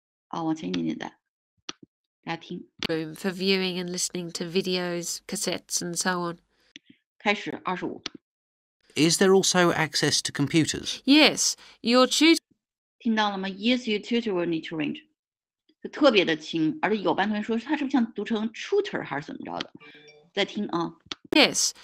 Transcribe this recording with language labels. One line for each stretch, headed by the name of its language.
Chinese: 哦，往前一点点的，大家听。
English: Room for viewing and listening to videos, cassettes, and so on.
Chinese: 开始25.
English: Is there also access to computers? Yes, your tutor.
Chinese: 听到了吗
English: ？Yes, your tutor will need to arrange.
Chinese: 特别的轻，而且有班同学说他是不是像读成 tutor 还是怎么着的？再听啊。Yes,